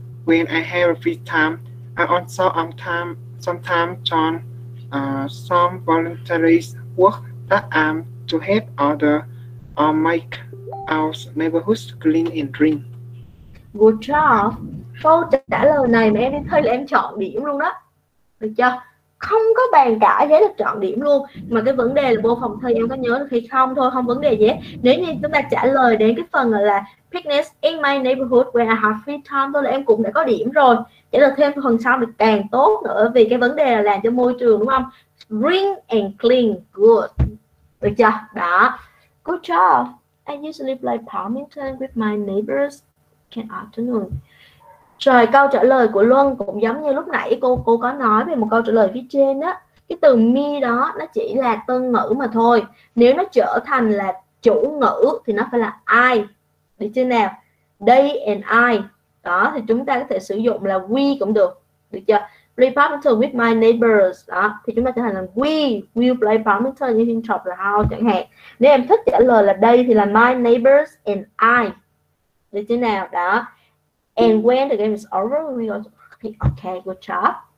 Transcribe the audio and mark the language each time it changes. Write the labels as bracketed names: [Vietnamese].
[English] When I have free time, I also sometimes join some voluntary work that I'm to help other or make our neighborhood clean and green. Good job. [Vietnamese] Câu trả lời này mà em hơi là em chọn điểm luôn đó. Được chưa? Không có bàn cãi với được chọn điểm luôn, mà cái vấn đề là vô phòng thi em có nhớ được hay không thôi, không vấn đề gì hết. Nếu như chúng ta trả lời đến cái phần là [English] fitness in my neighborhood where I have free time [Vietnamese] thôi là em cũng đã có điểm rồi, trả lời thêm phần sau được càng tốt nữa, vì cái vấn đề là làm cho môi trường, đúng không? [English] Green and clean, good, [Vietnamese] được chưa? Đó, [English] good job. I usually play badminton with my neighbors in afternoon. [Vietnamese] Rồi câu trả lời của Luân cũng giống như lúc nãy cô có nói về một câu trả lời phía trên á. Cái từ me đó nó chỉ là tân ngữ mà thôi. Nếu nó trở thành là chủ ngữ thì nó phải là I. Được chưa nào? [English] They and I. [Vietnamese] Đó thì chúng ta có thể sử dụng là we cũng được. Được chưa? [English] Play badminton with my neighbors. [Vietnamese] Đó thì chúng ta trở thành là we. [English] We play badminton in the top là how chẳng hạn. [Vietnamese] Nếu em thích trả lời là they thì là [English] my neighbors and I. [Vietnamese] Được chưa nào? Đó. [English] And when the game is over, we go to okay, good job.